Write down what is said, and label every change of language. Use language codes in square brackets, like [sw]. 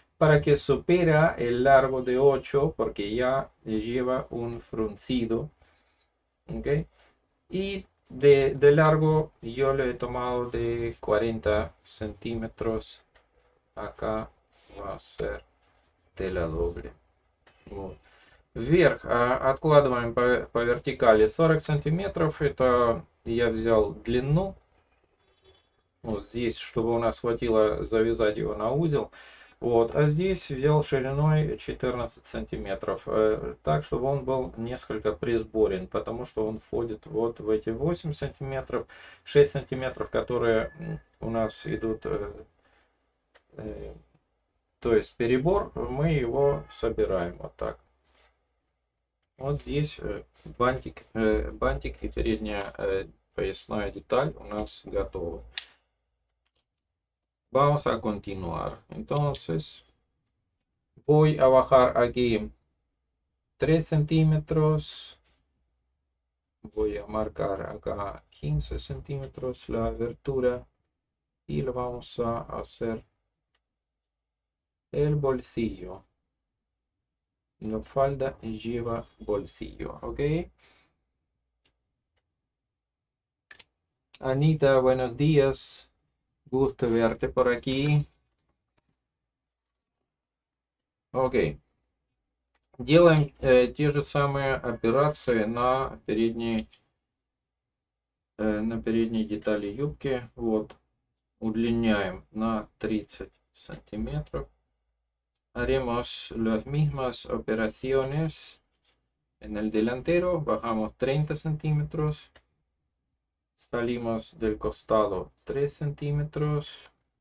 [es] Para que supera el largo de 8, porque ya lleva un fruncido. ¿Okay? Y de largo yo le he tomado de 40 centímetros. Acá va a ser tela doble. Вот. [ru] Вверх откладываем по вертикали 40 сантиметров. Это я взял длину. Вот здесь, чтобы у нас хватило завязать его на узел. Вот. А здесь взял шириной 14 сантиметров. Так, чтобы он был несколько присборен, потому что он входит вот в эти 8 сантиметров, 6 сантиметров, которые у нас идут. То есть перебор, мы его собираем вот так. Вот здесь бантик и передняя поясная деталь у нас готовы. [es] Vamos a continuar. Entonces, voy a bajar aquí 3 centímetros. Voy a marcar acá 15 centímetros la abertura. Y lo vamos a hacer el bolsillo. La falda lleva bolsillo, ¿ok? Anita, buenos días. Gusto verte por aquí. Ok. [ru] Делаем те же самые операции на передней детали юбки. Вот. Удлиняем на 30 сантиметров. [es] Haremos las mismas operaciones en el delantero. Bajamos 30 centímetros. Salimos del costado 3 centímetros.